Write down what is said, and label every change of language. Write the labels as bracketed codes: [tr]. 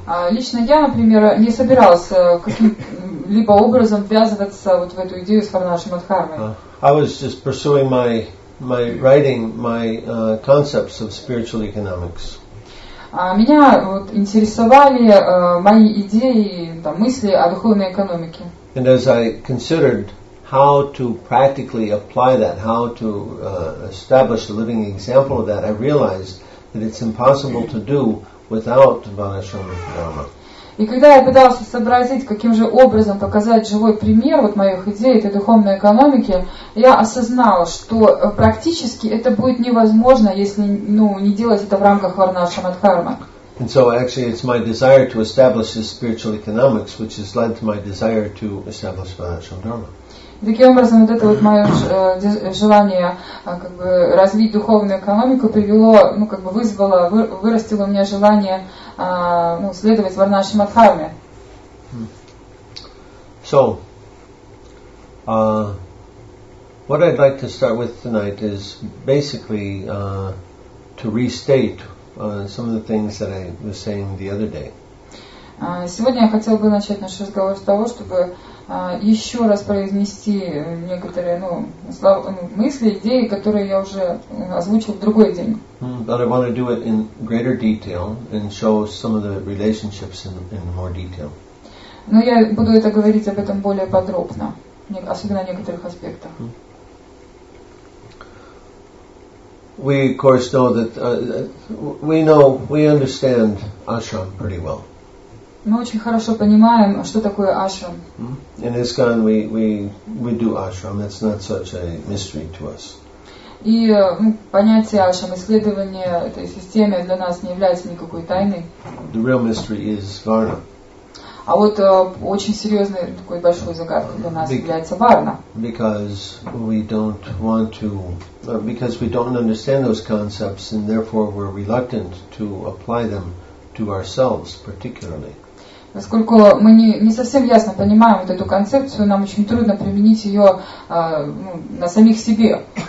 [ru] Лично я, например, не собирался каким-либо образом ввязываться вот в эту идею с Варнашрама Дхармой. [en] I was just pursuing my writing, my concepts of spiritual economics. [ru] Меня вот интересовали мои идеи, мысли о духовной экономике. [en] And as I considered how to practically apply that, how to establish a living example of that, I realized that it's impossible to do without Balashrama Dharma. [ru] И когда я пытался сообразить, каким же образом показать живой пример вот моих идей этой духовной экономики, я осознал, что практически это будет невозможно, если ну, не делать это в рамках варнашрама дхармы. [en] And so actually it's my desire to establish this spiritual economics, which has led to my desire to establish varnashrama dharma. [ru] Таким образом, вот это вот мое желание как бы, развить духовную экономику привело, ну, как бы вызвало, вырастило у меня желание ну, следовать варнашрама дхарме. [en] So, what I'd like to start with tonight is basically to restate some of the things that I was saying the other day. [ru] Сегодня я хотел бы начать наш разговор с того, чтобы еще раз произнести некоторые ну, мысли, идеи, которые я уже озвучил в другой день. [en] But I want to do it in greater detail and show some of the relationships in more detail. [ru] Но я буду это говорить об этом более подробно, особенно о некоторых аспектах. [en] We, of course, know that we know, we understand ashram pretty well. [ru] Мы очень хорошо понимаем, что такое ашрам. [en] In ISKCON we do ashram. It's not such a mystery to us. [ru] И понятие ашрам, исследование этой системы для нас не является никакой тайной. [en] The real mystery is varna. [ru] А вот очень серьезный такой большой загадкой для нас является варна. [en] Because we don't understand those concepts and therefore we're reluctant to apply them to ourselves particularly. [ru] Поскольку мы не совсем ясно понимаем вот эту концепцию, нам очень трудно применить ее на самих себе.